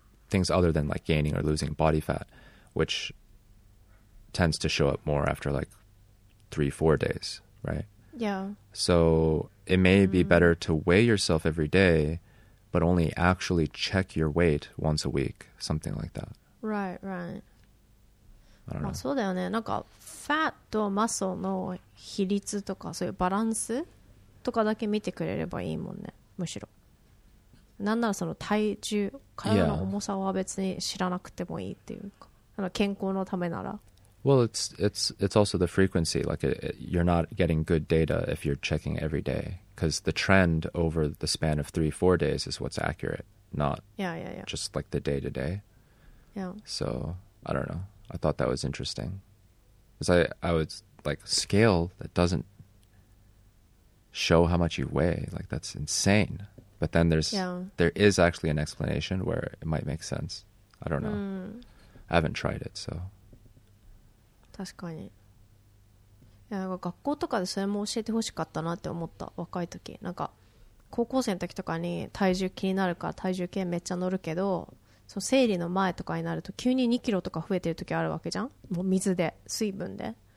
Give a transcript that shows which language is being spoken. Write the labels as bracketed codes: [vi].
[en] things other than like gaining or losing body fat, which tends to show up more after like 3-4 days, right? Yeah. So it may be better to weigh yourself every day, but only actually check your weight once a week, something like that. Right, right. I don't know. [ja] そうだよね。なんかファットマッスルの比率とかそういうバランスとかだけ見てくれればいいもんね。むしろなんならその体重、体の重さは別に知らなくてもいいっていうか、あの健康のためなら。 [en] Well, it's also the frequency. Like it, you're not getting good data if you're checking every day, because the trend over the span of 3-4 days is what's accurate, not just like the day to day. Yeah. So I don't know. I thought that was interesting, because I would like scale that doesn't show how much you weigh. Like that's insane. But then there is actually an explanation where it might make sense. I don't know. I haven't tried it, so. [ja] 確かに。いや、学校とかでそれも教えてほしかったなって思った。若い時なんか高校生の時とかに体重気になるから体重計めっちゃ乗るけど、その生理の前とかになると急に2キロとか増えてる時あるわけじゃん、もう水で水分で、